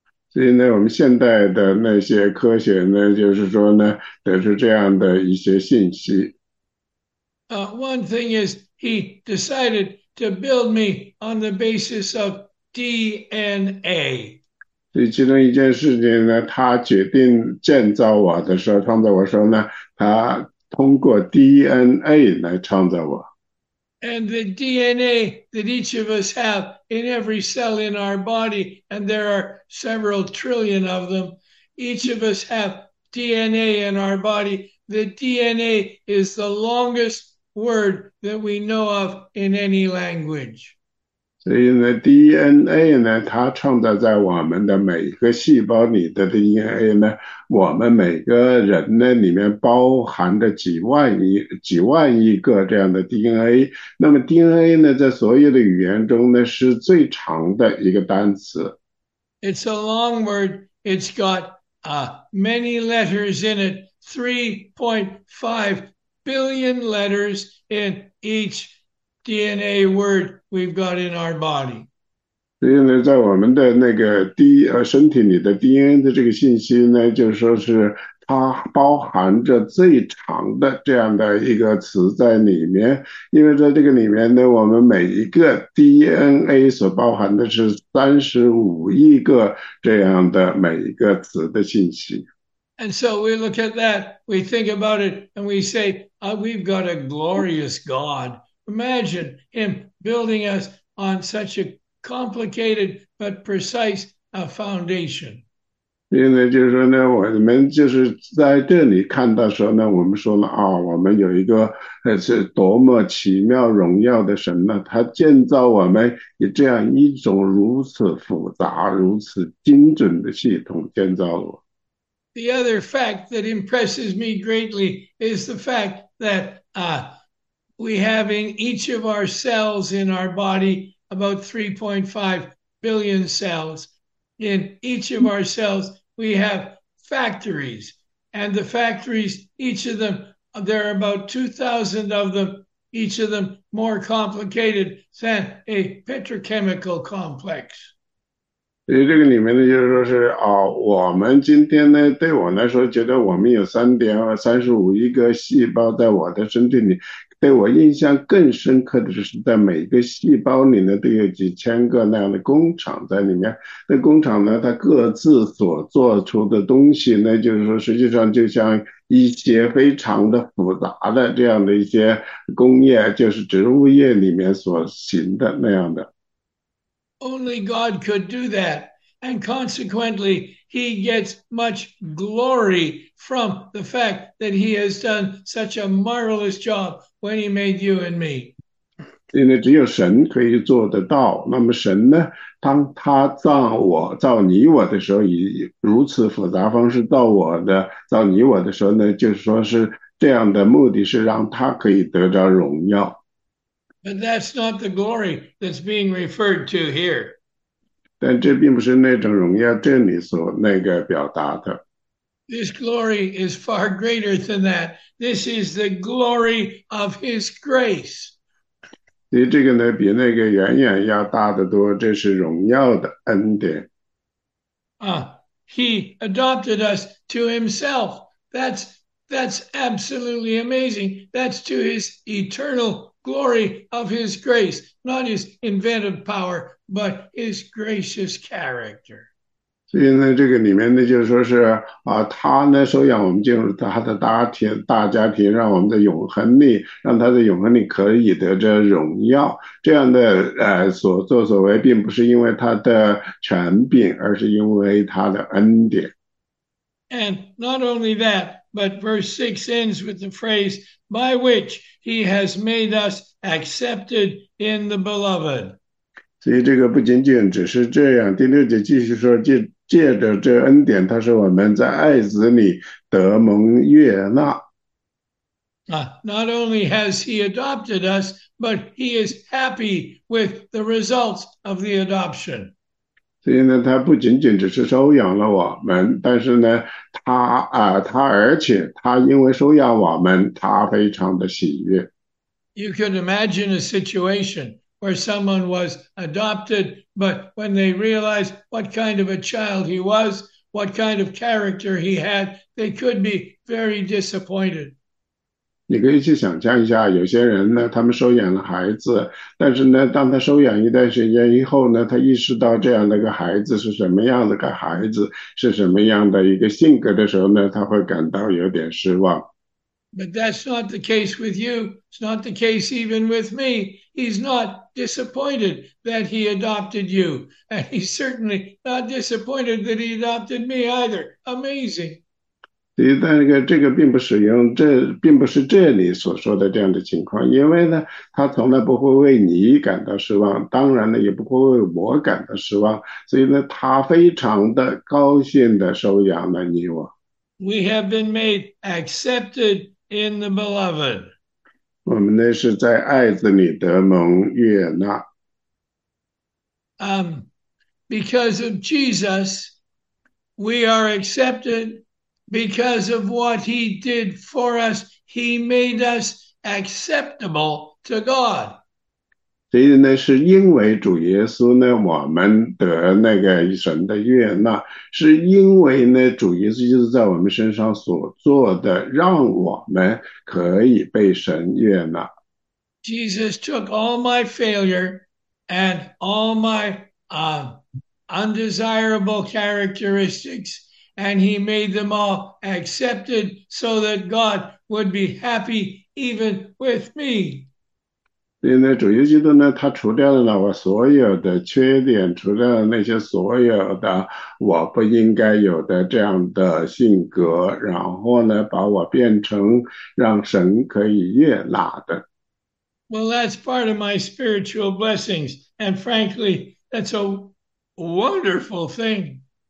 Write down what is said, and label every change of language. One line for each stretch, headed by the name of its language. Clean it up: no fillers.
Chinese: 所以呢，我们现代的那些科学呢，就是说呢，得出这样的一些信息。
English: One thing is, he decided to build me on the basis of DNA.
Chinese: 所以其中一件事情呢，他决定建造我的时候，创造我时候呢，他通过 DNA 来创造我。
English: And the DNA that each of us have in every cell in our body, and there are several trillion of them, each of us have DNA in our body. The DNA is the longest word that we know of in any language.
Chinese: 所以呢，DNA 呢，它创造在我们的每个细胞里的 DNA 呢，我们每个人呢里面包含着几万亿个这样的 DNA。那么 DNA 呢，在所有的语言中呢，是最长的一个单词。
English: It's a long word. It's got many letters in it, 3.5 billion letters in each DNA word we've got in our body.
Chinese: 所以呢，在我们的那个 DNA 身体里的 DNA 的这个信息呢，就是说是它包含着最长的这样的一个词在里面。因为在这个里面呢，我们每一个 DNA 所包含的是35亿个这样的每一个词的信息。
English: And so we look at that, we think about it, and we say, we've got a glorious God. Imagine him building us on such a complicated but precise foundation.
Chinese: 所以呢，就是说呢，我们就是在这里看到时候呢，我们说了啊，我们有一个是多么奇妙荣耀的神呢，他建造我们以这样一种如此复杂、如此精准的系统建造了。
English: The other fact that impresses me greatly is the fact that we have in each of our cells in our body about 3.5 billion cells. In each of our cells, we have factories. And the factories, each of them, there are about 2,000 of them, each of them more complicated than a petrochemical complex.
Chinese: 所以这个里面呢，就是说是啊，我们今天呢，对我来说，觉得我们有35亿个细胞在我的身体里，对我印象更深刻的就是，在每一个细胞里呢，都有几千个那样的工厂在里面。那工厂呢，它各自所做出的东西呢，就是说，实际上就像一些非常的复杂的这样的一些工业，就是植物业里面所行的那样的。
English: Only God could do that. And consequently, he gets much glory from the fact that he has done such a marvelous job when he made you and me.
Chinese: 因为只有神可以做得到，那么神呢？当他造你我的时候，以如此复杂方式造你我的时候呢，就是说是这样的目的是让他可以得着荣耀。
English: But that's not the glory that's being referred to here.
Chinese: 但这并不是那种荣耀这里所那个表达的。
English: This glory is far greater than that. This is the glory of His grace.
Chinese: 所以这个呢，比那个远远要大得多，这是荣耀的恩典。
English: He adopted us to Himself. That's absolutely amazing. That's to His eternal glory of his grace, not his inventive power, but his gracious character.
Chinese: 所以呢，这个里面呢，就是说是啊，他呢，首先我们进入他的大家庭，让我们在永恒里，让他在永恒里可以得着荣耀。这样的所作所为，并不是因为他的权柄，而是因为他的恩典。
English: And not only that, but verse 6 ends with the phrase, by which he has made us accepted in the beloved.
Chinese: 所以这个不仅仅只是这样，第6节继续说，借着这恩典，他是我们在爱子里得蒙悦纳。
English: Not only has he adopted us, but he is happy with the results of the adoption.
Chinese: 所以呢，他不仅仅只是收养了我们，但是呢，他因为收养我们，他非常的喜悦。
English: You could imagine a situation where someone was adopted, but when they realized what kind of a child he was, what kind of character he had, they could be very disappointed.
Chinese: 你可以去想象一下，有些人呢，他们收养了孩子，但是呢，当他收养一段时间以后呢，他意识到这样的一个孩子是什么样的个孩子，是什么样的一个性格的时候呢，他会感到有点失望。
English: But that's not the case with you. It's not the case even with me. He's not disappointed that he adopted you. And he's certainly not disappointed that he adopted me either. Amazing.
Chinese: 对，但那个这个并不适用，这并不是这里所说的这样的情况，因为呢，他从来不会为你感到失望，当然呢，也不会为我感到失望，所以呢，他非常的高兴的收养了你我。
English: We have been made accepted in the Beloved.
Chinese: 我们呢是在爱子里得蒙悦纳。
English: Because of Jesus, we are accepted because of what he did for us. He made us acceptable to God.
Chinese: 所以呢，是因为主耶稣呢，我们得那个神的悦纳，是因为呢，主耶稣就是在我们身上所做的，让我们可以被神悦纳。
English: Jesus took all my failure and all my undesirable characteristics, and he made them all accepted so that God would be happy even with me.
Chinese: 所以呢，主耶稣基督呢，他除掉了我所有的缺点，除掉了那些所有的我不应该有的这样的性格，然后呢，把我变成让神可以悦纳的。
English: Well, that's part of my spiritual blessings. And frankly, that's a wonderful thing.